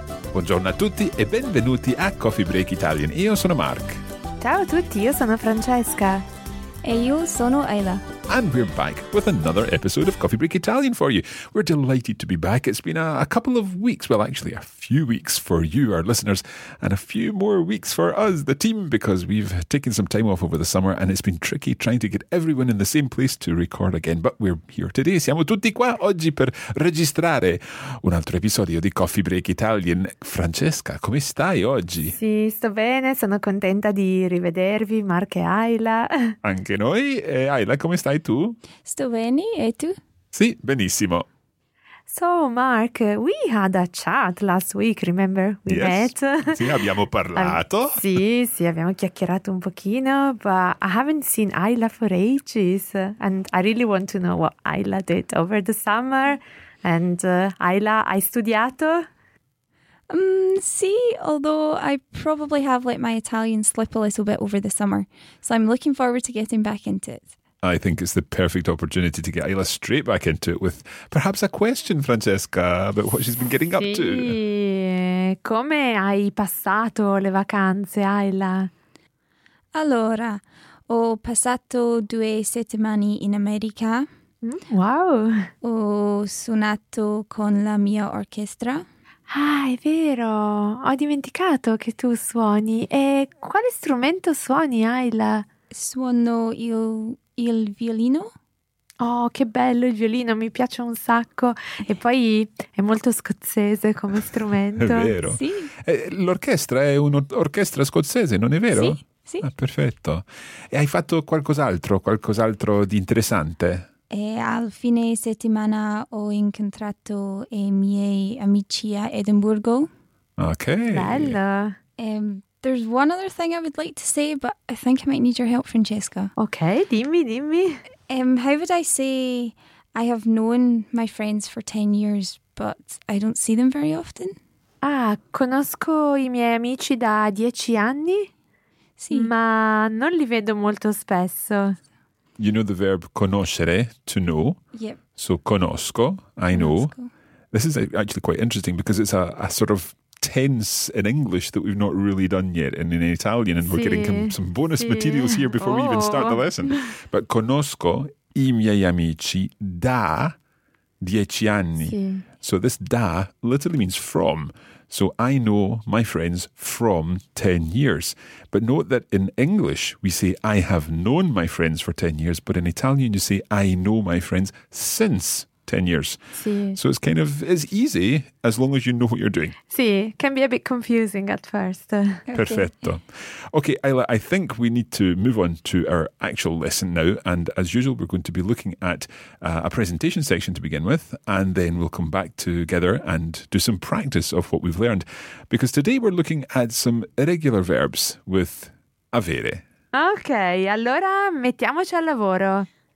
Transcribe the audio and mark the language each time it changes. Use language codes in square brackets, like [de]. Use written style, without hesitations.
[it] Buongiorno a tutti e benvenuti a Coffee Break Italian. Io sono Mark. Ciao a tutti, io sono Francesca. E io sono Ayla. [en] And we're back with another episode of Coffee Break Italian for you. We're delighted to be back. It's been a couple of weeks, well, actually a few weeks for you, our listeners, and a few more weeks for us, the team, because we've taken some time off over the summer and it's been tricky trying to get everyone in the same place to record again. But we're here today. [it] Siamo tutti qua oggi per registrare un altro episodio di Coffee Break Italian. Francesca, come stai oggi? Sì, sto bene. Sono contenta di rivedervi, Mark e Ayla. Anche noi. E Ayla, come stai tu? Sto bene, e tu? Sì, benissimo. [en] So, Mark, we had a chat last week, remember? We met. [it] Sì, abbiamo parlato. Sì, abbiamo chiacchierato un pochino, [en] but I haven't seen Ayla for ages, and I really want to know what Ayla did over the summer. [it] And Ayla, hai studiato? [en] Sì, although I probably have let my Italian slip a little bit over the summer, so I'm looking forward to getting back into it. I think it's the perfect opportunity to get Ayla straight back into it with perhaps a question, Francesca, about what she's been getting up to. [it] Come hai passato le vacanze, Ayla? Allora, ho passato 2 settimane in America. Wow! Ho suonato con la mia orchestra. Ah, è vero! Ho dimenticato che tu suoni. E quale strumento suoni, Ayla? Suono il violino. Oh, che bello il violino, mi piace un sacco. E poi è molto scozzese come strumento. È vero. Sì. L'orchestra è un'orchestra scozzese, non è vero? Sì, sì. Ah, perfetto. E hai fatto qualcos'altro di interessante? E al fine settimana ho incontrato i miei amici a Edimburgo. Ok. Bello. [en] There's one other thing I would like to say, but I think I might need your help, Francesca. [it] Okay, dimmi. [en] How would I say I have known my friends for 10 years, but I don't see them very often? [it] Ah, conosco i miei amici da 10 anni? Sì. Ma non li vedo molto spesso. [en] You know the verb conoscere, to know? Yep. So conosco, I know. This is actually quite interesting because it's a sort of tense in English that we've not really done yet in Italian, and [it] sì, [en] we're getting some bonus [it] sì [en] materials here before oh we even start the lesson. [it] But conosco i miei amici da 10 anni. Sì. [en] So this da literally means from. So I know my friends from 10 years. But note that in English we say I have known my friends for 10 years, but in Italian you say I know my friends since 10 years. [it] Sì. [en] So it's kind of as easy as long as you know what you're doing. Sì, can be a bit confusing at first. [it] Perfetto. [en] Okay, Ayla, I think we need to move on to our actual lesson now. And as usual, we're going to be looking at a presentation section to begin with. And then we'll come back together and do some practice of what we've learned. Because today we're looking at some irregular verbs with avere. [it] Okay, allora mettiamoci al lavoro.